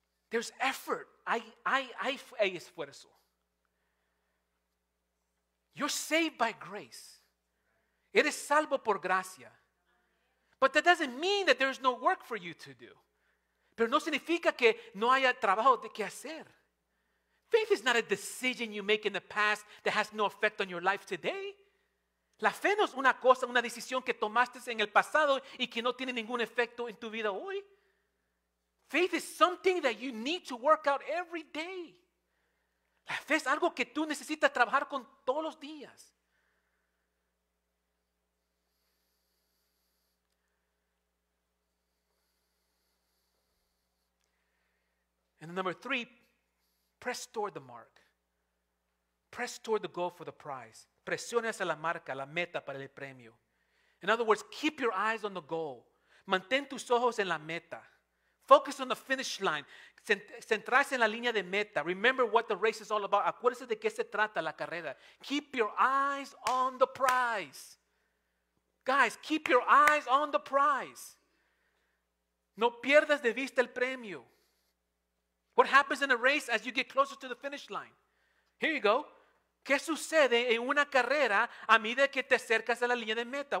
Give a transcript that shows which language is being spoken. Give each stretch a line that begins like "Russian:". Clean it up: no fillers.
English: There's effort.
Spanish: Hay esfuerzo.
English: You're saved by grace.
Spanish: Eres salvo por gracia.
English: But that doesn't mean that there's no work for you to do.
Spanish: Pero no significa que no haya trabajo de que hacer.
English: Faith is not a decision you make in the past that has no effect on your life today.
Spanish: La fe no es una cosa, una decisión que tomaste en el pasado y que no tiene ningún efecto en tu vida hoy.
English: Faith is something that you need to work out every day.
Spanish: La fe es algo que tú necesitas trabajar con todos los días.
English: And number three, press toward the mark. Press toward the goal for the prize.
Spanish: Presiona hacia la marca, la meta para el premio.
English: In other words, keep your eyes on the goal.
Spanish: Mantén tus ojos en la meta.
English: Focus on the finish line.
Spanish: Centrarse en la línea de meta.
English: Remember what the race is all about.
Spanish: Acuérdese de qué se trata la carrera.
English: Keep your eyes on the prize. Guys, keep your eyes on the prize.
Spanish: No pierdas de vista el premio.
English: What happens in a race as you get closer to the finish line? Here you go.
Spanish: ¿Qué sucede en una carrera a medida que te acercas a la línea de meta?